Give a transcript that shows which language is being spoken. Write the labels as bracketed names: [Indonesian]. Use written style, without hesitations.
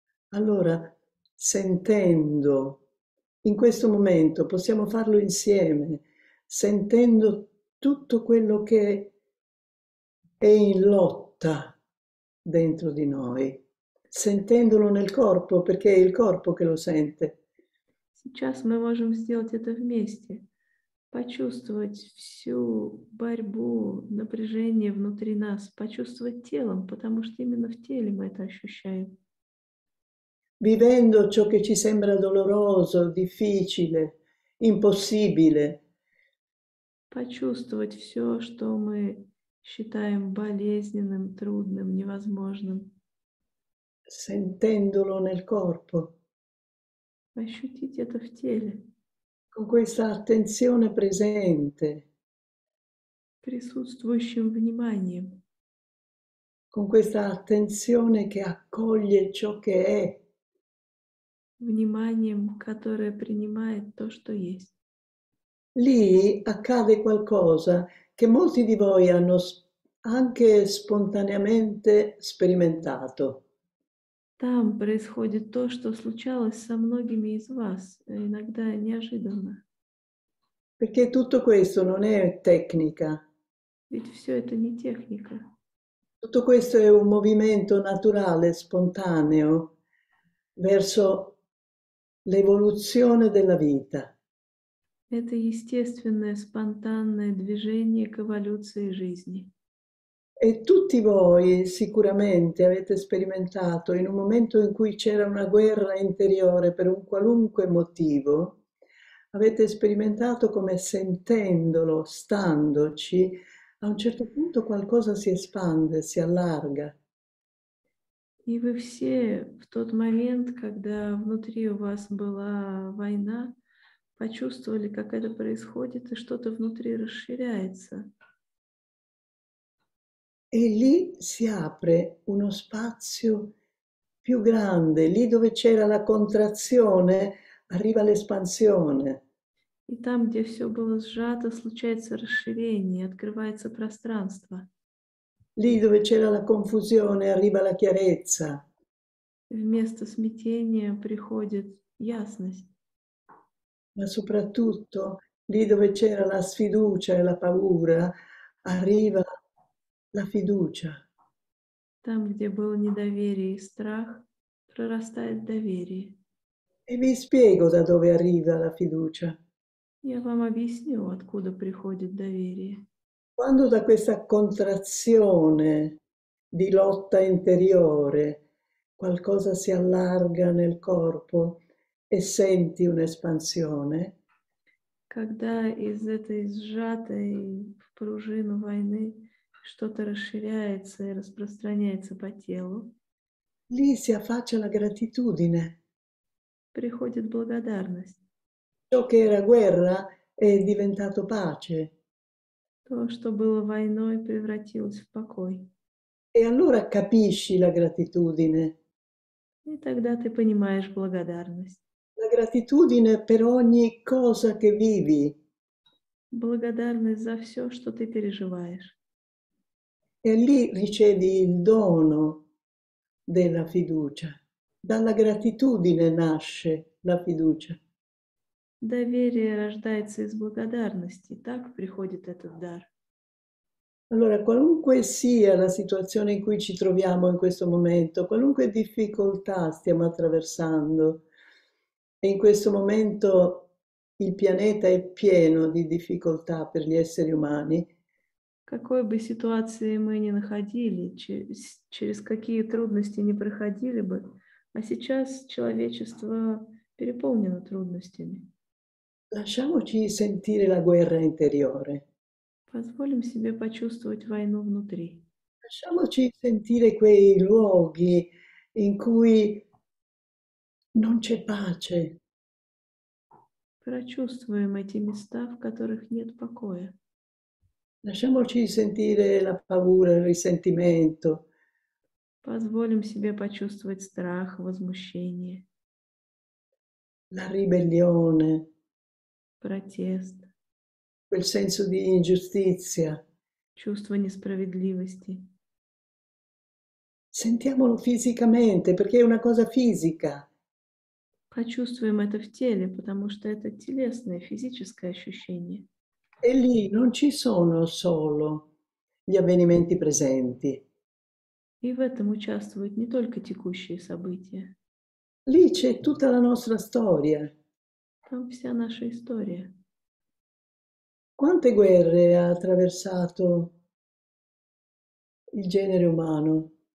[Italian] Allora, sentendo in questo momento, possiamo farlo insieme, sentendo tutto quello che è in lotta dentro di noi, sentendolo nel corpo, perché è il corpo che lo sente. [Russian] Сейчас мы можем сделать это вместе, почувствовать всю борьбу, напряжение внутри нас, почувствовать телом, потому что именно в теле мы это ощущаем. [Italian] Vivendo ciò che ci sembra doloroso, difficile, impossibile. [Russian] Почувствовать все, что мы считаем болезненным, трудным, невозможным. [Italian] Sentendolo nel corpo. [Russian] Ощутить это в теле. [Italian] Con questa attenzione presente. [Russian] Присутствующим вниманием. [Italian] Con questa attenzione che accoglie ciò che è. [Russian] Вниманием, которое принимает то, что есть. [Italian] Lì accade qualcosa che molti di voi hanno anche spontaneamente sperimentato. [Russian] Там происходит то, что случалось со многими из вас, иногда неожиданно. [Italian] Perché tutto questo non è tecnica. Tutto [Russian] Ведь все это не техника. [Italian] questo è un movimento naturale, spontaneo, verso l'evoluzione della vita. [Russian] Это естественное, спонтанное движение к эволюции жизни. [Italian] E tutti voi sicuramente avete sperimentato in un momento in cui c'era una guerra interiore per un qualunque motivo, avete sperimentato come sentendolo, standoci, a un certo punto qualcosa si espande, si allarga. [Russian] И вы все в тот момент, когда внутри у вас была война, почувствовали, как это происходит, и что-то внутри расширяется. [Italian] E lì si apre uno spazio più grande, lì dove c'era la contrazione, arriva l'espansione. [Russian] И там, где все было сжато, случается расширение, открывается пространство. [Italian] Lì dove c'era la confusione, arriva la chiarezza. [Russian] Вместо смятения приходит ясность. [Italian] Ma soprattutto lì dove c'era la sfiducia e la paura, arriva la fiducia. [Russian] Там, где было недоверие и страх, прорастает доверие. [Italian] E vi spiego da dove arriva la fiducia. Quando [Russian] Я вам объясню, откуда приходит доверие. [Italian] da questa contrazione di lotta interiore qualcosa si allarga nel corpo e senti un'espansione. [Russian] Когда из этой сжатой в пружину войны что-то расширяется и распространяется по телу, [Italian] Lì si affaccia la gratitudine. [Russian] приходит благодарность. [Italian] Ciò che era guerra è diventato pace. [Russian] То, что было войной, превратилось в покой. [Italian] E allora capisci la gratitudine. [Russian] И тогда ты понимаешь благодарность. [Italian] La gratitudine per ogni cosa che vivi. [Russian] Благодарность за все, что ты переживаешь. [Italian] E lì ricevi il dono. Della fiducia, dalla gratitudine nasce la fiducia. [Russian] Доверие рождается из благодарности, так приходит этот дар. [Italian] Allora, qualunque sia la situazione in cui ci troviamo in questo momento, qualunque difficoltà stiamo attraversando, e in questo momento il pianeta è pieno di difficoltà per gli esseri umani. [Russian] Какой бы ситуации мы ни находили, через какие трудности ни проходили бы, а сейчас человечество переполнено трудностями. [Italian] Lasciamoci sentire la guerra interiore. [Russian] Позволим себе почувствовать войну внутри. [Italian] Lasciamoci sentire quei luoghi in cui non c'è pace. [Russian] Прочувствуем эти места, в которых нет покоя. [Italian] Lasciamoci sentire la paura, il risentimento. [Russian] Позволим себе почувствовать страх, возмущение, [Italian] La ribellione. [Russian] протест, [Italian] Quel senso di ingiustizia. Sentiamolo [Russian] чувство несправедливости. [Italian] fisicamente, perché è una cosa fisica. [Russian] Почувствуем это в теле, потому что это телесное, физическое ощущение. [Italian] E lì non ci sono solo gli avvenimenti presenti. [Russian] И в этом участвуют не только текущие события. [Italian] Lì c'è tutta la nostra storia. [Russian] Там вся наша история. [Italian] Quante guerre ha attraversato il genere umano?